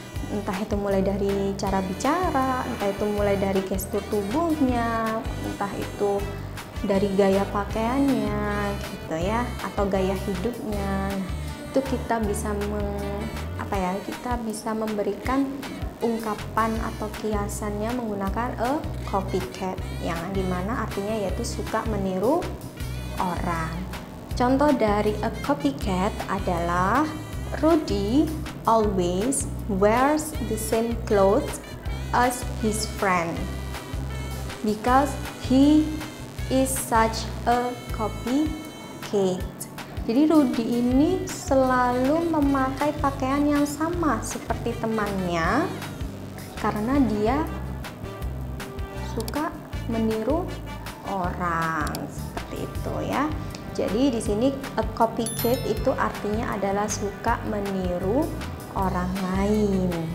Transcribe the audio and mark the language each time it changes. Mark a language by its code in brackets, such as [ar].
[id] Entah itu mulai dari cara bicara, entah itu mulai dari gestur tubuhnya, entah itu dari gaya pakaiannya gitu ya, atau gaya hidupnya. Itu kita bisa kita bisa memberikan ungkapan atau kiasannya menggunakan a copycat, yang dimana artinya yaitu suka meniru orang. Contoh dari a copycat adalah [en] Rudy always wears the same clothes as his friend because he is such a copycat. [id] Jadi Rudy ini selalu memakai pakaian yang sama seperti temannya karena dia suka meniru orang, seperti itu ya. Jadi di sini a copycat itu artinya adalah suka meniru orang lain.